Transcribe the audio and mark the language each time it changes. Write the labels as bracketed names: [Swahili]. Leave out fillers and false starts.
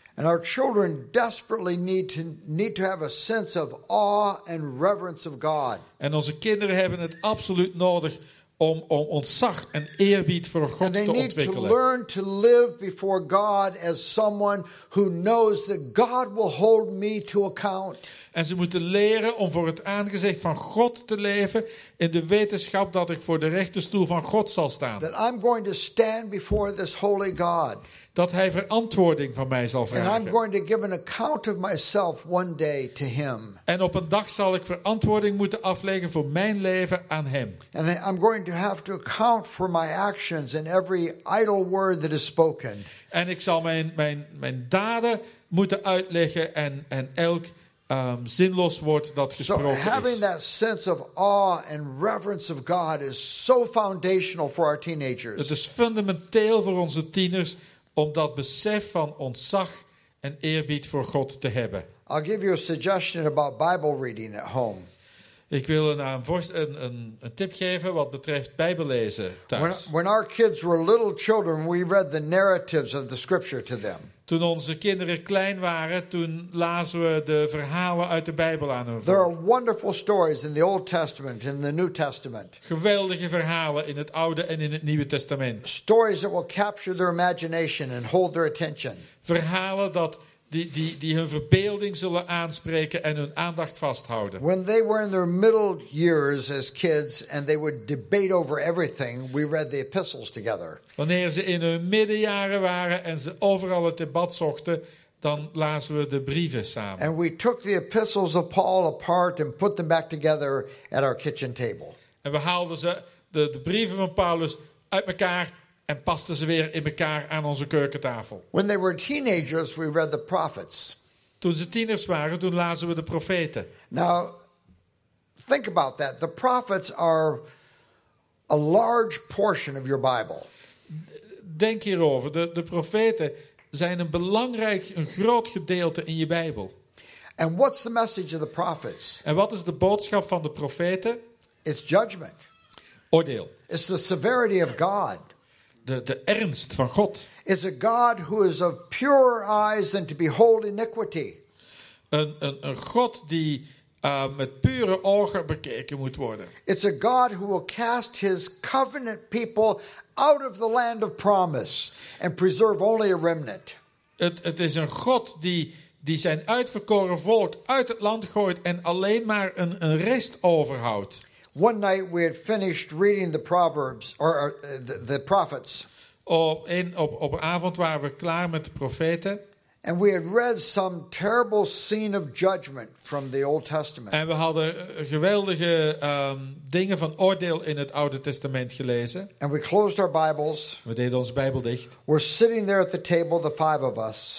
[English] And our children desperately need to have a sense of awe and reverence of God. [Dutch] En onze kinderen hebben het absoluut nodig om ontzag en eerbied voor God te ontwikkelen. [English] And they need to learn to live before God as someone who knows that God will hold me to account. [Dutch] En ze moeten leren om voor het aangezicht van God te leven in de wetenschap dat ik voor de rechterstoel van God zal staan. [English] That I'm going to stand before this holy God. [Dutch] Dat hij verantwoording van mij zal vragen. [English] And I'm going to give an account of myself one day to him. [Dutch] En op een dag zal ik verantwoording moeten afleggen voor mijn leven aan hem. [English] And I'm going to have to account for my actions and every idle word that is spoken. [Dutch] En ik zal mijn daden moeten uitleggen en elk zinloos woord dat gesproken [English] is. So having that sense of awe and reverence of God is so foundational for our teenagers. [Dutch] Het is fundamenteel voor onze tieners om dat besef van ontzag en eerbied voor God te hebben. [English] I'll give you a suggestion about Bible reading at home. [Dutch] Ik wil een tip geven wat betreft Bijbellezen thuis. [English] When our kids were little children, we read the narratives of the scripture to them. [Dutch] Toen onze kinderen klein waren, toen lazen we de verhalen uit de Bijbel aan hen voor. [English] There are wonderful stories in the Old Testament and the New Testament. [Dutch] Geweldige verhalen in het Oude en in het Nieuwe Testament. [English] Stories that will capture their imagination and hold their attention. [Dutch] Verhalen dat die hun verbeelding zullen aanspreken en hun aandacht vasthouden. [English] When they were in their middle years as kids and they would debate over everything, we read the epistles together. [Dutch] Wanneer ze in hun middenjaren waren en ze overal het debat zochten, dan lazen we de brieven samen. [English] And we took the epistles of Paul apart and put them back together at our kitchen table. [Dutch] En we haalden ze de brieven van Paulus uit elkaar en pasten ze weer in elkaar aan onze keukentafel. [English] When they were teenagers, we read the prophets. [Dutch] Toen ze tieners waren, toen lazen we de profeten. [English] Now, think about that. The prophets are a large portion of your Bible. [Dutch] Denk hierover. De profeten zijn een groot gedeelte in je Bijbel. [English] And what's the message of the prophets? [Dutch] En wat is de boodschap van de profeten? [English] It's judgment. [Dutch] Oordeel. [English] It's the severity of God. [Dutch] De ernst van God. [English] It's a God who is of purer eyes than to behold iniquity. [Dutch] Een God die met pure ogen bekeken moet worden. [English] It's a God who will cast his covenant people out of the land of promise and preserve only a remnant. [Dutch] Het is een God die zijn uitverkoren volk uit het land gooit en alleen maar een rest overhoudt. [English] One night we had finished reading the Proverbs or the prophets. [Dutch] Op een avond waren we klaar met de profeten. [English] And we had read some terrible scene of judgment from the Old Testament. [Dutch] En we hadden geweldige dingen van oordeel in het Oude Testament gelezen. [English] And we closed our Bibles. [Dutch] We deden onze Bijbel dicht. [English] We're sitting there at the table, the five of us.